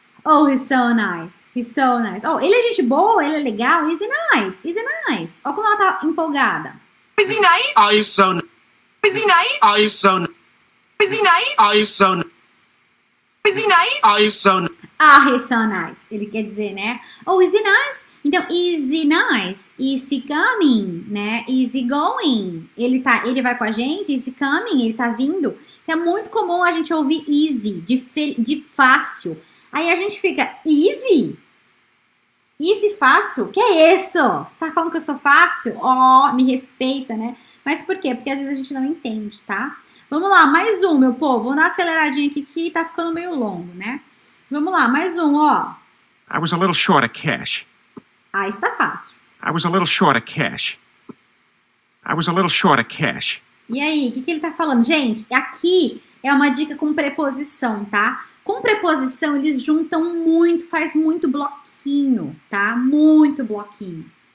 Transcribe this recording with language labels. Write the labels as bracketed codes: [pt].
[en] Oh, he's so nice, he's so nice. [pt] Oh, ele é gente boa, ele é legal, [en] easy nice, easy nice. [pt] Olha como ela tá empolgada. [en] Easy nice? Oh, he's so nice. Is he nice? Oh, he's so nice. Ah, he's so nice. [pt] Ele quer dizer, né? [en] Oh, is he nice? Então, is he nice? Is he coming? Né? Is he going? [pt] Ele vai com a gente? [en] Is he coming? [pt] Ele tá vindo? Então, é muito comum a gente ouvir easy, de fácil. Aí a gente fica, easy? Easy, fácil? Que é isso? Você tá falando que eu sou fácil? Oh, me respeita, né? Mas por quê? Porque às vezes a gente não entende, tá? Vamos lá, mais um, meu povo. Vou dar uma aceleradinha aqui que tá ficando meio longo, né? Vamos lá, mais um, ó. [en] I was a little short of cash. [pt] Ah, isso tá fácil. [en] I was a little short of cash. I was a little short of cash. [pt] E aí, o que, que ele tá falando? Gente, aqui é uma dica com preposição, tá? Com preposição, eles juntam muito, faz muito bloquinho, tá? Muito bloquinho.